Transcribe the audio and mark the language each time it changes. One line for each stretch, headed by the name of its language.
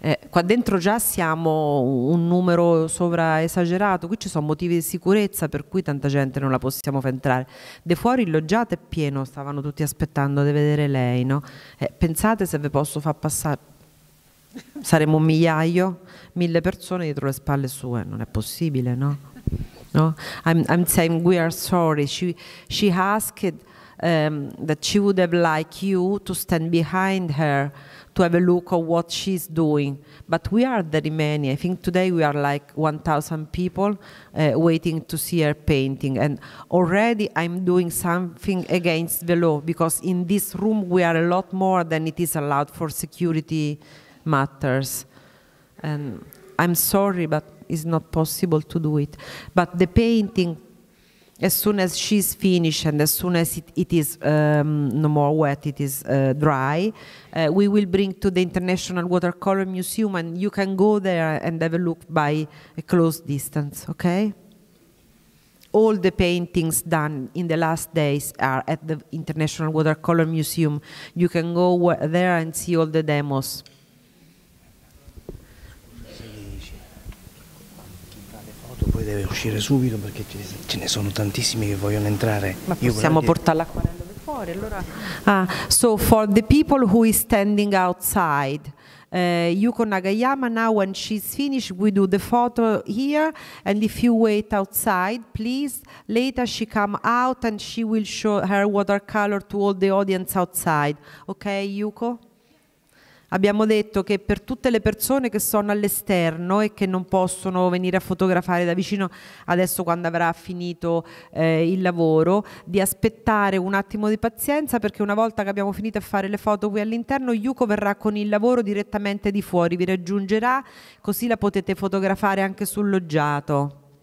Italian: Qua dentro già siamo un numero sovra esagerato, qui ci sono motivi di sicurezza per cui tanta gente non la possiamo far entrare. De fuori il loggiato è pieno, stavano tutti aspettando di vedere lei, no? Pensate se vi posso far passare. Saremo un migliaio, 1000 persone dietro le spalle sue, non è possibile, no?
English: No? I'm saying we are sorry. She asked that she would have liked you to stand behind her to have a look of what she's doing. But we are very many. I think today we are like 1,000 people waiting to see her painting. And already I'm doing something against the law because in this room we are a lot more than it is allowed for security matters, and I'm sorry, but it's not possible to do it. But the painting, as soon as she's finished and as soon as it is no more wet, it is dry, we will bring to the International Watercolor Museum, and you can go there and have a look by a close distance. Okay? All the paintings done in the last days are at the International Watercolor Museum. You can go there and see all the demos.
Italian: Poi deve uscire subito perché ce ne sono tantissimi che vogliono entrare. Ma possiamo portare l'acquarello fuori allora.
English: So for the people who is standing outside, Yuko Nagayama, now when she's finished we do the photo here, and if you wait outside please, later she come out and she will show her watercolor to all the audience outside. Ok Yuko?
Italian: Abbiamo detto che per tutte le persone che sono all'esterno e che non possono venire a fotografare da vicino adesso quando avrà finito il lavoro, di aspettare un attimo di pazienza perché una volta che abbiamo finito a fare le foto qui all'interno, Yuko verrà con il lavoro direttamente di fuori, vi raggiungerà così la potete fotografare anche sul loggiato.